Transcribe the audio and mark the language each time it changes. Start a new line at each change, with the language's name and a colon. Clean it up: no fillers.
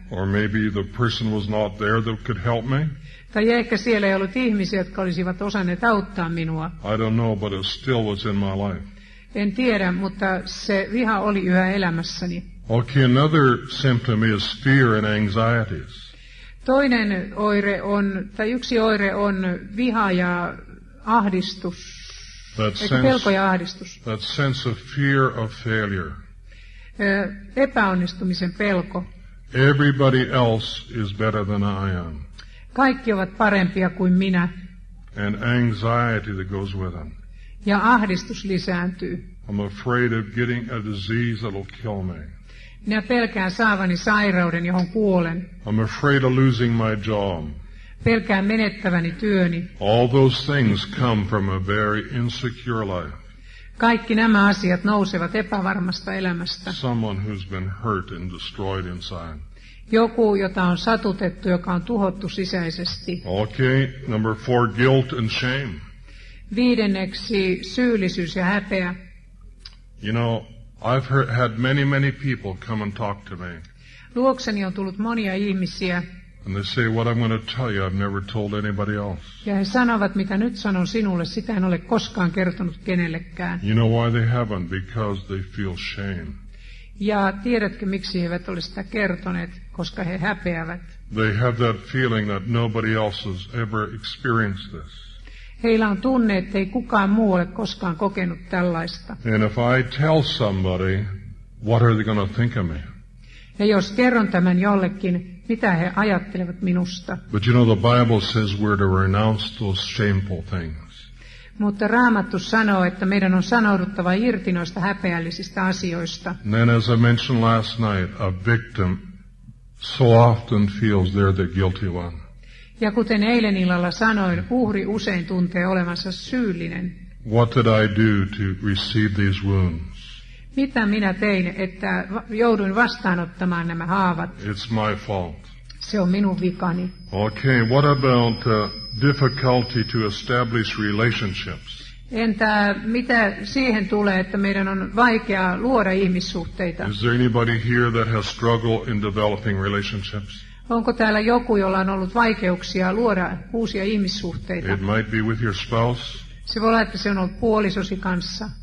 English: Or maybe the person was not there that could help me.
Finnish: Tai ehkä siellä ei ollut ihmisiä, jotka olisivat osanneet auttaa minua.
English: I don't know, but it still was in my life.
Finnish: En tiedä, mutta se viha oli yhä elämässäni.
English: Okay, another symptom is fear and anxieties.
Finnish: Toinen oire on, tai yksi oire on viha ja ahdistus. Pelko ja ahdistus.
English: That sense of fear of failure.
Finnish: Epäonnistumisen pelko.
English: Everybody else is better than I am.
Finnish: Kaikki ovat parempia kuin minä.
English: And anxiety that goes with them.
Finnish: Ja ahdistus lisääntyy.
English: I'm afraid of getting a disease that'll kill me.
Finnish: Minä pelkään saavani sairauden, johon kuolen.
English: I'm afraid of losing my job.
Finnish: Pelkään menettäväni työni.
English: All those things come from a very insecure life.
Finnish: Kaikki nämä asiat nousevat epävarmasta elämästä.
English: Someone who's been hurt and destroyed inside.
Finnish: Joku, jota on satutettu, joka on tuhottu sisäisesti.
English: Okay, number four, guilt and shame.
Finnish: Viidenneksi syyllisyys ja häpeä.
English: You know, I've heard, had many, many people come and talk to me.
Finnish: Luokseni on tullut monia ihmisiä.
English: And they say, what I'm going to tell you, I've never told anybody else.
Finnish: Ja he sanovat, mitä nyt sanon sinulle, sitä en ole koskaan kertonut kenellekään.
English: You know why they haven't? Because they feel shame.
Finnish: Ja tiedätkö, miksi he eivät ole sitä kertoneet? Koska he häpeävät.
English: They have that feeling that nobody else has ever experienced this.
Finnish: Heillä on tunne, ettei kukaan muu ole koskaan kokenut tällaista.
English: And if I tell somebody, what are they going to think of me?
Finnish: Ja jos kerron tämän jollekin, mitä he ajattelevat minusta?
English: But you know, the Bible says we're to renounce those shameful things.
Finnish: Mutta Raamattu sanoo, että meidän on sanouduttava irti noista häpeällisistä asioista.
English: And then, as I mentioned last night, a victim so often feels they're the guilty one.
Finnish: Ja kuten eilen illalla sanoin, uhri usein tuntee olevansa syyllinen.
English: What did I do to receive these wounds?
Finnish: Mitä minä tein, että jouduin vastaanottamaan nämä haavat?
English: It's my fault.
Finnish: Se on minun vikani.
English: Okay, what about the difficulty to establish relationships?
Finnish: Entä mitä siihen tulee, että meidän on vaikea luoda ihmissuhteita?
English: Is there anybody here that has struggled in developing relationships?
Finnish: Onko täällä joku, jolla on ollut vaikeuksia luoda uusia ihmissuhteita?
English: It might be with your spouse.
Finnish: Se voi olla, että se on ollut puolisosi kanssa.